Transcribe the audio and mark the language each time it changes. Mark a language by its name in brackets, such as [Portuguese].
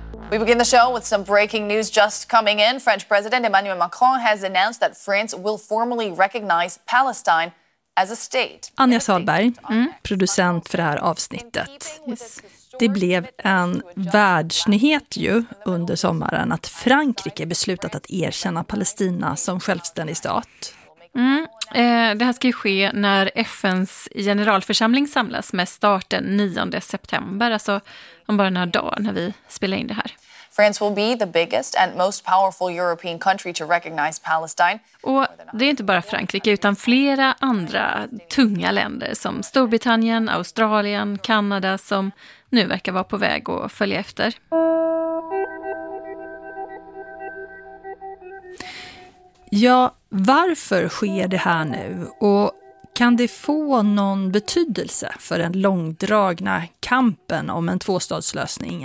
[English] We begin the show with some breaking news just coming in. French President Emmanuel Macron has announced that France will formally recognize Palestine as a state. [Swedish] Anja Sahlberg, producent för det här avsnittet. Det blev en världsnyhet ju under sommaren att Frankrike beslutat att erkänna Palestina som självständig stat. Det här ska ju ske när FNs generalförsamling samlas med starten 9 september, alltså om bara några dagar när vi spelar in det här. [English] France will be the biggest and most powerful European country to recognize Palestine. [Swedish] Och det är inte bara Frankrike utan flera andra tunga länder som Storbritannien, Australien, Kanada som nu verkar vara på väg att följa efter. Ja, varför sker det här nu och kan det få någon betydelse för den långdragna kampen om en tvåstatslösning?